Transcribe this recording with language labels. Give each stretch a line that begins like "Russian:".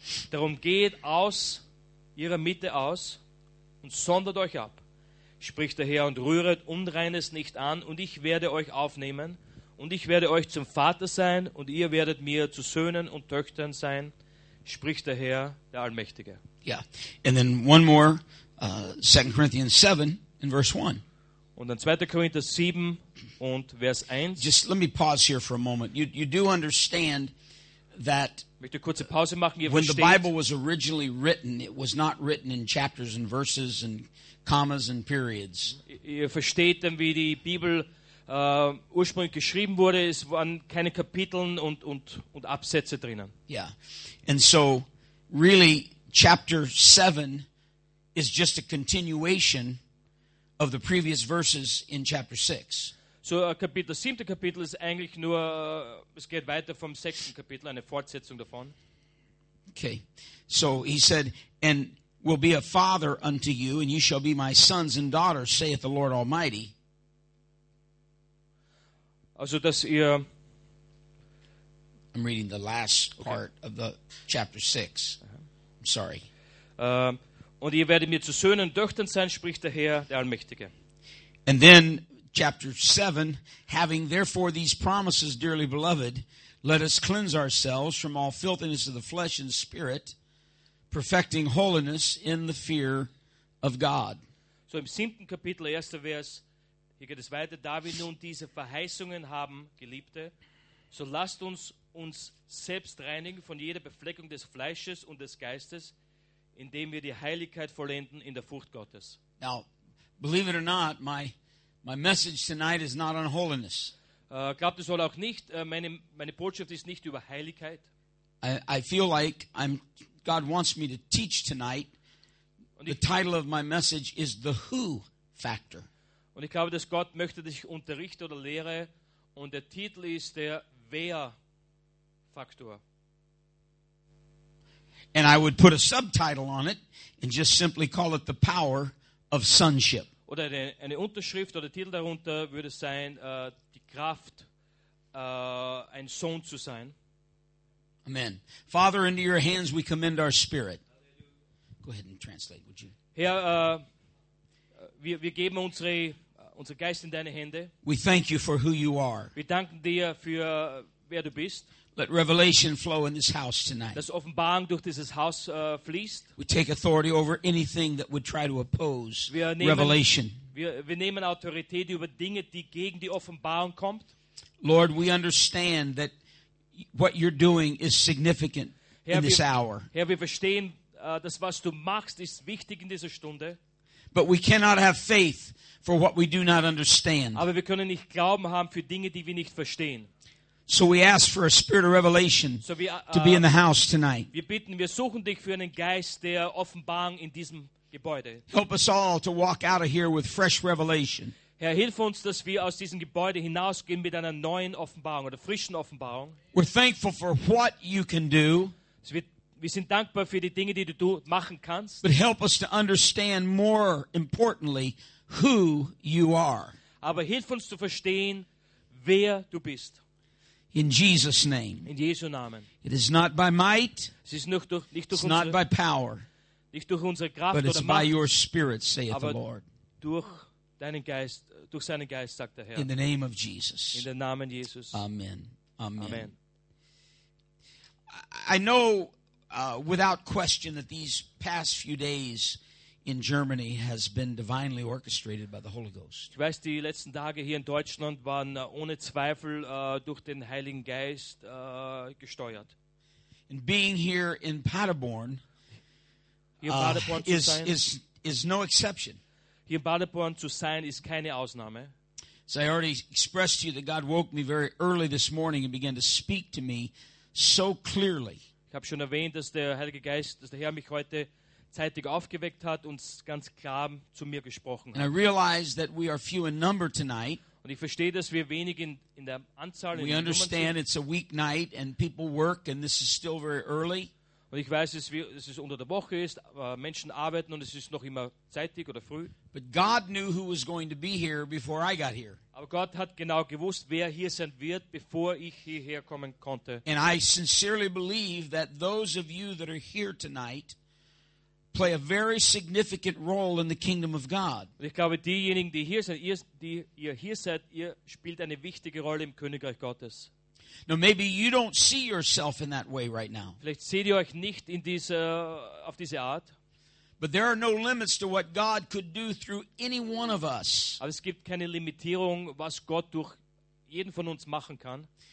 German: Darum geht aus ihrer Mitte aus und sondert euch ab, spricht der Herr, und rühret Unreines nicht an, und ich werde euch aufnehmen, und ich werde euch zum Vater sein, und ihr werdet mir zu Söhnen und Töchtern sein, spricht der Herr, der Allmächtige.
English: Yeah, and then one more, 2 Corinthians 7, in verse 1.
German: Und dann 2. Korinther 7 und Vers 1.
English: Just let me pause here for a moment. You do understand that when the Bible was originally written, it was not written in chapters and verses and commas and periods.
German: Ihr versteht dann, wie die Bibel ursprünglich geschrieben wurde. Es waren keine Kapiteln und Absätze drinnen.
English: Yeah. And so, really, chapter 7 is just a continuation of the previous verses in chapter 6.
German: So, Kapitel, siebte Kapitel ist eigentlich nur, es geht weiter vom sechsten Kapitel, eine Fortsetzung davon.
English: Okay. So, he said, and will be a father unto you, and you shall be my sons and daughters, saith the Lord Almighty.
German: Also, dass ihr...
English: I'm reading the last part of the chapter 6. I'm sorry.
German: Und ihr werdet mir zu Söhnen und Töchtern sein, spricht der Herr, der Allmächtige.
English: And then, chapter 7, having therefore these promises, dearly beloved, let us cleanse ourselves from all filthiness of the flesh and spirit, perfecting holiness in the fear of God.
German: So im siebten Kapitel, erster Vers, hier geht es weiter, da wir nun diese Verheißungen haben, Geliebte, so lasst uns selbst reinigen von jeder Befleckung des Fleisches und des Geistes, indem wir die Heiligkeit vollenden in der Furcht Gottes.
English: Now, believe it or not, my message tonight is not on holiness.
German: Glaubt es oder auch nicht, meine Botschaft ist nicht über Heiligkeit.
English: I feel like God wants me to teach tonight. The title of my message is the who factor.
German: Und ich glaube, dass Gott möchte, dass ich unterrichte oder lehre, und der Titel ist der wer Faktor.
English: And I would put a subtitle on it and just simply call it the power of sonship.
German: Oder eine Unterschrift oder Titel darunter würde sein, die Kraft, ein Sohn zu sein.
English: Amen. Father, into your hands we commend our spirit. Go ahead and translate, would you?
German: Herr, wir geben unser Geist in deine Hände.
English: We thank you for who you are.
German: Wir danken dir für wer du bist.
English: Let revelation flow in this house tonight.
German: Dass Offenbarung durch dieses Haus fließt.
English: We take authority over anything that would try to oppose revelation.
German: Wir nehmen Autorität über Dinge, die gegen die Offenbarung kommt.
English: Lord, we understand that what you're doing is significant in this hour.
German: Herr, wir verstehen, dass was du machst ist wichtig in dieser Stunde.
English: But we cannot have faith for what we do not understand.
German: Aber wir können nicht Glauben haben für Dinge, die wir nicht verstehen.
English: So we ask for a spirit of revelation to be in the house tonight.
German: Wir bitten, wir suchen dich für einen Geist der Offenbarung in diesem Gebäude.
English: Help us all to walk out of here with fresh revelation.
German: Herr, hilf uns, dass wir aus diesem Gebäude hinausgehen mit einer neuen Offenbarung oder frischen Offenbarung.
English: We're thankful for what you can do.
German: Wir sind dankbar für die Dinge, die du machen kannst.
English: But help us to understand more importantly who you are.
German: Aber hilf uns zu verstehen, wer du bist.
English: In Jesus' name.
German: In Jesu Namen.
English: It is not by might.
German: Es ist nicht durch,
English: it's not by power.
German: Nicht durch unsere Kraft
English: but
German: oder
English: it's
German: Macht,
English: by your spirit, saith the Lord.
German: Durch deinen Geist, durch seinen Geist, sagt der Herr.
English: In the name of Jesus.
German: In den Namen Jesus.
English: Amen. Amen. Amen. I know without question that these past few days in Germany has been divinely orchestrated by the Holy Ghost.
German: Ich weiß, die letzten Tage hier in Deutschland waren ohne Zweifel durch den Heiligen Geist gesteuert.
English: And being here in Paderborn, is no exception.
German: Hier in Paderborn zu sein ist keine Ausnahme.
English: So I already expressed to you that God woke me very early this morning and began to speak to me so clearly.
German: Ich habe schon erwähnt, dass der Heilige Geist, dass der Herr mich heute zeitig aufgeweckt hat und ganz klar zu mir gesprochen hat.
English: And I realize that we are few in number tonight.
German: Und ich verstehe, dass wir wenig in der Anzahl sind.
English: We understand it's a week night and people work and this is still very early.
German: Und ich weiß, dass es unter der Woche ist, Menschen arbeiten und es ist noch immer zeitig oder früh.
English: But God knew who was going to be here before I got here.
German: Aber Gott hat genau gewusst, wer hier sein wird, bevor ich hierher kommen konnte.
English: And I sincerely believe that those of you that are here tonight play a very significant role in the kingdom of God.
German: Ich glaube, diejenigen, die hier sind, ihr hier seid, ihr spielt eine wichtige Rolle im Königreich Gottes.
English: Now maybe you don't see yourself in that way right now.
German: Vielleicht seht ihr euch nicht in dieser auf diese Art.
English: But there are no limits to what God could do through any one of us.
German: Aber es gibt keine Limitierung, was Gott durch jeden von uns machen kann.